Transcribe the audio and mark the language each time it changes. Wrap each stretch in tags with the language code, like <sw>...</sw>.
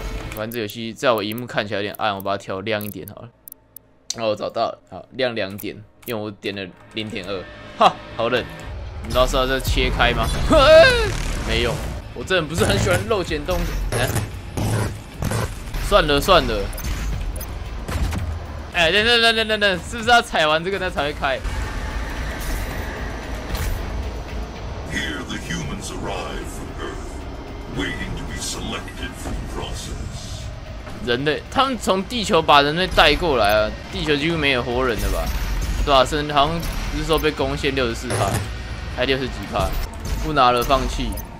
<zh>反正这游戏在我荧幕看起来有点暗，我把它调亮一点好了。哦，我找到了，好亮两点，因为我点了 0.2， 哈，好冷！你到时候再切开吗？没用。我真的不是很喜欢肉捡东西。算了算了。哎，等，是不是要踩完这个那才会开</zh> <en>？Here the humans arrive from Earth, waiting to be selected for the process.</en> <zh>人类，他们从地球把人类带过来啊，地球几乎没有活人的吧？对吧、啊？好像不是说被攻陷64%，还60几%，不拿了放弃。</zh>